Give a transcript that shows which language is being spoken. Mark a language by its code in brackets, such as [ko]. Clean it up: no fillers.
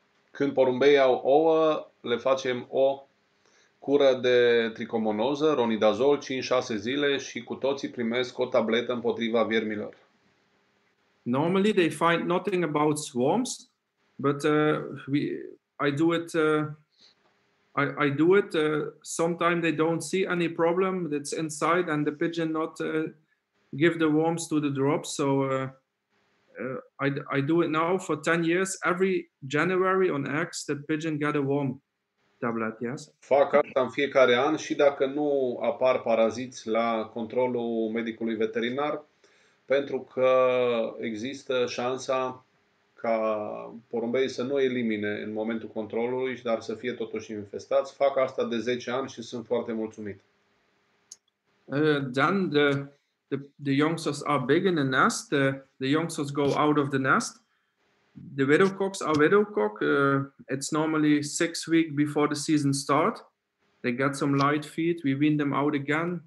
[ro] Când porumbei au ouă, le facem o cură de tricomonoză, ronidazol, 5-6 zile și cu toții primesc o tabletă împotriva viermilor. [en] Normally they find nothing about swarms, but I do it sometimes they don't see any problem that's inside and the pigeon not give the worms to the drops, so I do it now for 10 years. Every January on X, the pigeon get a worm tablet, yes? [ro] Fac asta în fiecare an și dacă nu apar paraziți la controlul medicului veterinar, pentru că există șansa ca porumbeii să nu elimine în momentul controlului, dar să fie totuși infestați. Fac asta de 10 ani și sunt foarte mulțumit. [en] Dan, The youngsters are big in the nest. The youngsters go out of the nest. The widow cocks are widow cock. It's normally 6 weeks before the season start. They get some light feed. We wean them out again.